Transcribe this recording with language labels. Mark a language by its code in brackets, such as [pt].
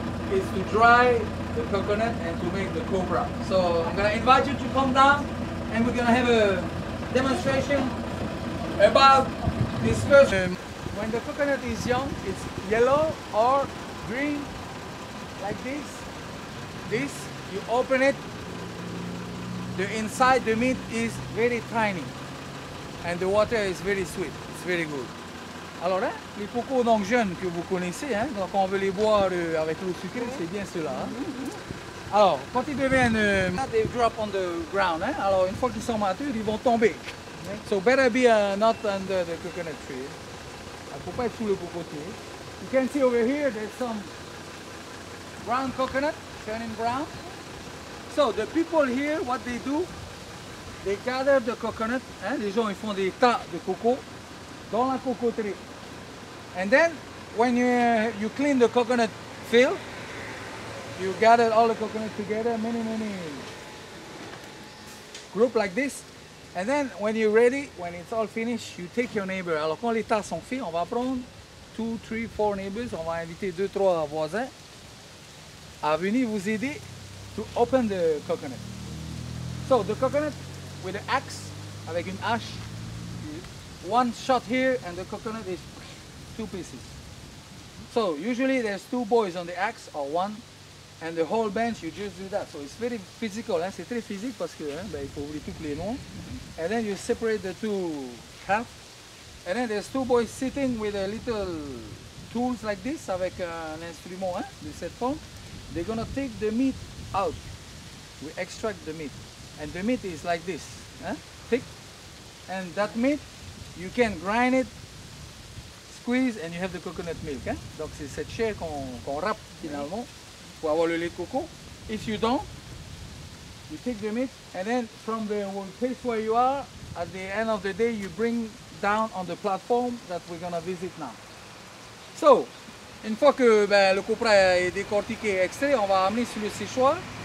[en] It's to dry the coconut and to make the cobra. So I'm gonna invite you to come down and we're gonna have a demonstration about this person. When the coconut is young, it's yellow or green, like this. This, you open it. The inside, the meat is very tiny and the water is very sweet, it's very good. [fr] Alors hein, les cocos donc jeunes que vous connaissez, hein, donc on veut les boire avec l'eau sucrée, c'est bien cela. Hein. Alors, quand ils deviennent... [en] they drop on the ground, [fr] hein, alors une fois qu'ils sont matures, ils vont tomber. [en] So better be not under the coconut tree. [fr] Il ne faut pas être sous le cocotier. [en] You can see over here, there's some brown coconut turning brown. So the people here, what they do, they gather the coconut, hein? [fr] Les gens ils font des tas de coco dans la cocoterie. [en] And then when you clean the coconut field, you gather all the coconut together, many group like this. And then when you're ready, when it's all finished, you take your neighbor. [fr] Alors quand les tas sont faits, on va prendre 2, 3, 4 neighbors, on va inviter 2, 3 voisins à venir vous aider. [en] To open the coconut. So the coconut with an axe, [fr] avec une hache, [en] one shot here and the coconut is two pieces. So usually there's two boys on the axe or one and the whole bench you just do that. So it's very physical, [fr] hein? C'est très physique parce que hein, ben, il faut ouvrir toutes les noms. [en] And then you separate the two half and then there's two boys sitting with a little tools like this [fr] avec un instrument, hein, de cette forme. [en] They're gonna take the meat out, we extract the meat and the meat is like this, eh? Thick, and that meat you can grind it, squeeze and you have the coconut milk, eh? [fr] Donc c'est cette chair qu'on râpe finalement pour avoir le lait de coco. [en] If you don't, you take the meat and then from the place where you are, at the end of the day you bring down on the platform that we're gonna visit now. [fr] So une fois que ben, le copra est décortiqué et extrait, on va amener sur le séchoir.